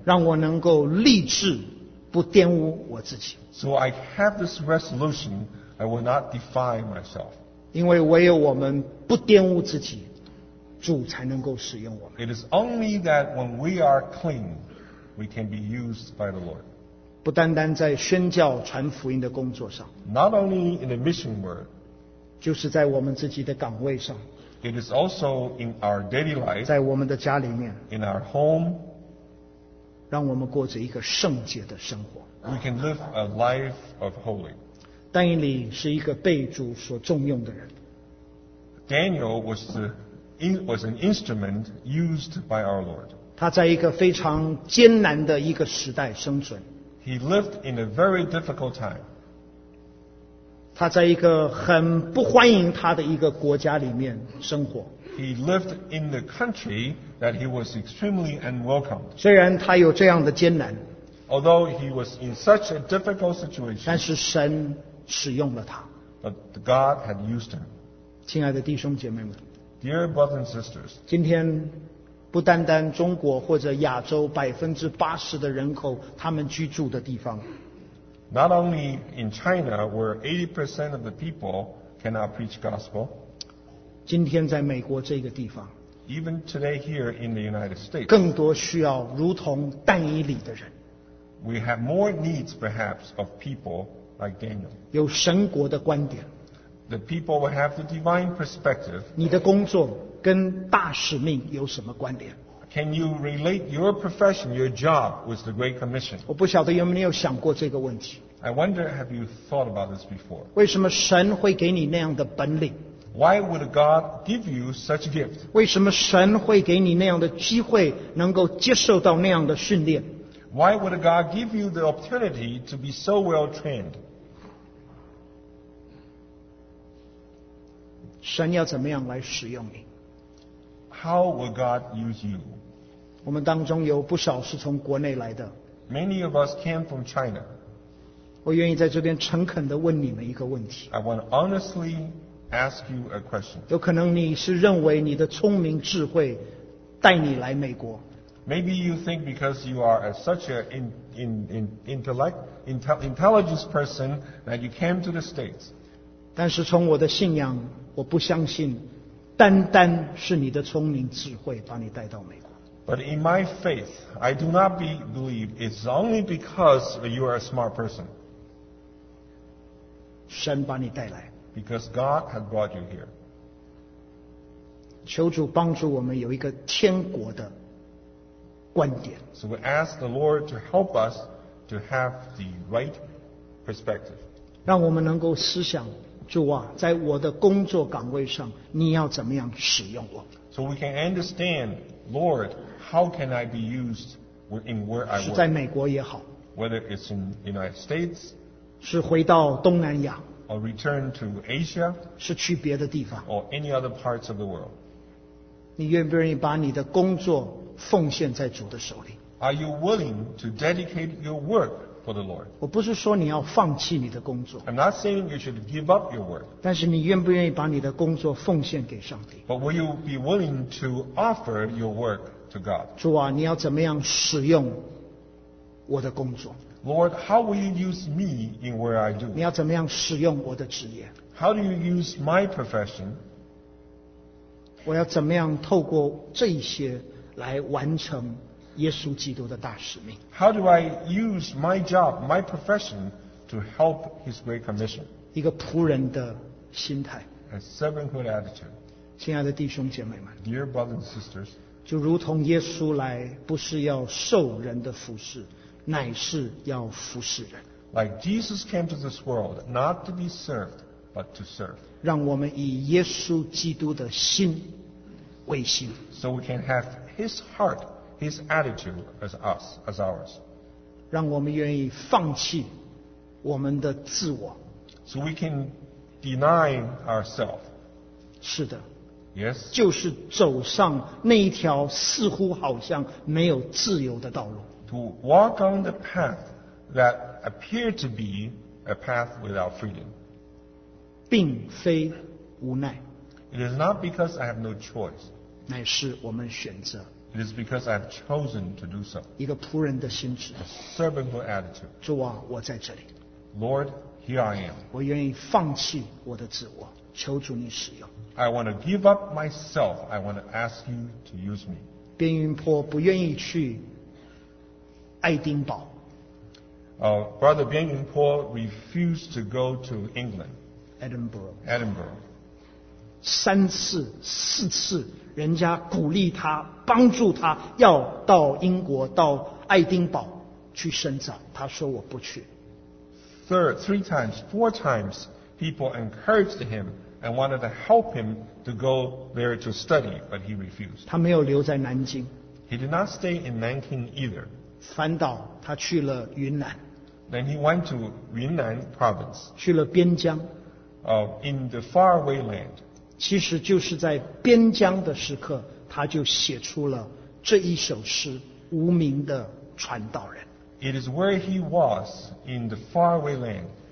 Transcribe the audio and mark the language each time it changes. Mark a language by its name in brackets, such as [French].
[Chinese] 让我能够立志不玷污我自己。 [English] So I have this resolution, I will not defy myself. [Chinese] 因为唯有我们不玷污自己, 主才能够使用我们。 [English] It is only that when we are clean, we can be used by the Lord. [Chinese] 不单单在宣教传福音的工作上 [English] ，not only in the mission work， [Chinese] 就是在我们自己的岗位上 [English] ，it is also in our daily life， [Chinese] 在我们的家里面 [English] ，in our home， [Chinese] 让我们过着一个圣洁的生活 [English] ，we can live a life of holy。 [Chinese] 但以理是一个被主所重用的人。 [English] Daniel was an instrument used by our Lord. [Chinese] 他在一个非常艰难的一个时代生存。 [English] He lived in a very difficult time. [Chinese] 他在一个很不欢迎他的一个国家里面生活。 [English] He lived in the country that he was extremely unwelcomed. [Chinese] 虽然他有这样的艰难。 [English] Although he was in such a difficult situation. [Chinese] 但是神使用了他。 [English] But God had used him. [Chinese] 亲爱的弟兄姐妹们 [English] ，Dear brothers and sisters， [Chinese] 今天不单单中国或者亚洲80%的人口，他们居住的地方 [English] ，Not only in China where 80% of the people cannot preach gospel， [Chinese] 今天在美国这个地方 [English] ，Even today here in the United States， [Chinese] 更多需要如同但以理的人 [English] ，We have more needs perhaps of people like Daniel， [Chinese] 有神国的观点。 [English] The people will have the divine perspective. [Chinese] 你的工作跟大使命有什么关联 [English] ？Can you relate your profession, your job, with the Great Commission? [Chinese] 我不晓得有没有想过这个问题。 [English] I wonder, have you thought about this before? [Chinese] 为什么神会给你那样的本领 [English] ？Why would God give you such a gift? [Chinese] 为什么神会给你那样的机会，能够接受到那样的训练 [English] ？Why would God give you the opportunity to be so well trained? [Chinese] 神要怎么样来使用你 [English] ？How will God use you？ [Chinese] 我们当中有不少是从国内来的。 [English] Many of us came from China。 [Chinese] 我愿意在这边诚恳地问你们一个问题。 [English] I want to honestly ask you a question。 [Chinese] 有可能你是认为你的聪明智慧带你来美国。 [English] Maybe you think because you are such an intelligent person that you came to the States。 [Chinese] 但是从我的信仰。我不相信单单是你的聪明智慧把你带到美国。 [English] But in my faith, I do not believe it's only because you are a smart person. [Chinese] 神把你带来。 [English] Because God had brought you here. [Chinese] 求主帮助我们有一个天国的观点。 [English] So we ask the Lord to help us to have the right perspective. [Chinese] 让我们能够思想主啊，在我的工作岗位上，你要怎么样使用我 [English] ？So we can understand, Lord, how can I be used in where I work？ [Chinese] 是在美国也好 [English] ，Whether it's in the United States， [Chinese] 是回到东南亚 [English] ，Or return to Asia， [Chinese] 是去别的地方 [English] ，Or any other parts of the world。 [Chinese] 你愿不愿意把你的工作奉献在主的手里 [English] ？Are you willing to dedicate your work？ For the Lord. [Chinese] 我不是说你要放弃你的工作。 [English] I'm not saying you should give up your work. [Chinese] 但是你愿不愿意把你的工作奉献给上帝 [English] ？But will you be willing to offer your work to God? [Chinese] 主啊，你要怎么样使用我的工作 [English] ？Lord, how will you use me in where I do? [Chinese] 你要怎么样使用我的职业 [English] ？How do you use my profession? [Chinese] 我要怎么样透过这些来完成？耶稣基督的大使命。 [English] How do I use my job, my profession, to help His great commission? [Chinese] 一个仆人的心态。 [English] A servanthood attitude. [Chinese] 亲爱的弟兄姐妹们。 [English] Dear brothers and sisters. [Chinese] 就如同耶稣来，不是要受人的服侍，乃是要服侍人。 [English] Like Jesus came to this world not to be served, but to serve. [Chinese] 让我们以耶稣基督的心为心。 [English] So we can have His heart. His attitude as us, as ours. [Chinese] 让我们愿意放弃我们的自我。 [English] So we can deny ourselves. [Chinese] 是的。 [English] Yes. [Chinese] 就是走上那一条似乎好像没有自由的道路。 [English] To walk on the path that appeared to be a path without freedom. [Chinese] 并非无奈。 [English] It is not because I have no choice. [Chinese] 乃是我们选择。 [English] It is because I have chosen to do so. [Chinese] 一个仆人的心智。 [English] A servanthood attitude. [Chinese] 主啊，我在这里。 [English] Lord, here I am. [Chinese] 我愿意放弃我的自我，求主你使用。 [English] I want to give up myself. I want to ask you to use me. [Chinese] 边云坡不愿意去爱丁堡。 [English] Brother Bien Yin Po refused to go to England. Edinburgh. Edinburgh. [Chinese] 3次、4次，人家鼓励他、帮助他，要到英国、到爱丁堡去深造。他说我不去。 [English] Three times, four times, people encouraged him and wanted to help him to go there to study, but he refused. [Chinese] 他没有留在南京。 [English] He did not stay in Nanking either. [Chinese] 反倒他去了云南。 [English] Then he went to Yunnan province. [Chinese] 去了边疆。 [English] In the faraway land. [Chinese] 其实就是在边疆的时刻，他就写出了这一首诗《无名的传道人》。 [English] It is where he was in the faraway land.